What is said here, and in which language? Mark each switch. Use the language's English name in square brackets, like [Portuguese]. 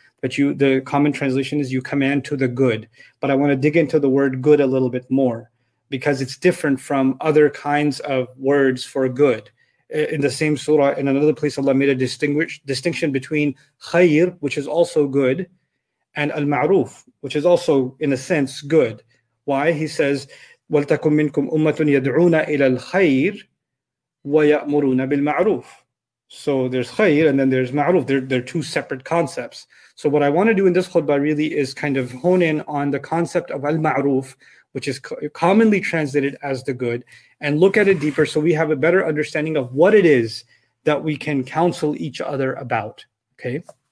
[English] But you, the common translation is you command to the good. But I want to dig into the word good a little bit more, because it's different from other kinds of words for good. In the same surah, in another place, Allah made a distinction between khayr, which is also good, and al-ma'ruf, which is also, in a sense, good. Why? He says, [Arabic] وَلْتَكُمْ مِنْكُمْ أُمَّةٌ يَدْعُونَ إِلَى الْخَيْرِ وَيَأْمُرُونَ بِالْمَعْرُوفِ. [English] So there's khayr and then there's ma'ruf. They're two separate concepts. So what I want to do in this khutbah really is kind of hone in on the concept of al-ma'ruf, which is commonly translated as the good, and look at it deeper so we have a better understanding of what it is that we can counsel each other about, okay?